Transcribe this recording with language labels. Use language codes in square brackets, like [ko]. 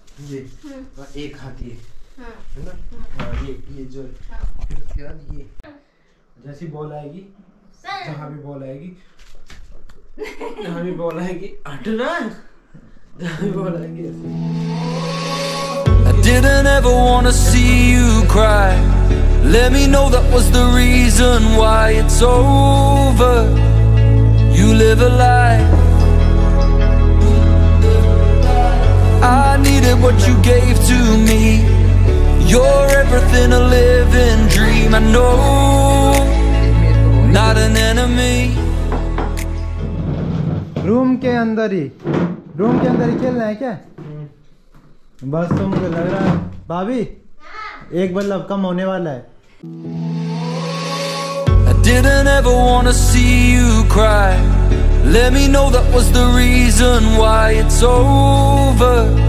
[hi] ये हाँ। एक हाथ ये हाँ। ना हाँ। ये जो हाँ। ये जैसी बॉल आएगी जहाँ भी बॉल आएगी जहाँ भी बॉल आएगी हटना जहाँ भी बॉल आएगी ऐसे। [en] Didn't ever wanna see you cry. Let me know that was the reason why it's over. You live a lie. I needed what you gave to me. You're everything a living dream. I know. Not an enemy. [hi] Room ke andar hi khelna hai kya? बस तो मुझे लग रहा है भाभी एक बल्लब कम होने वाला है। [en] I didn't ever wanna see you cry. Let me know that was the reason why it's over.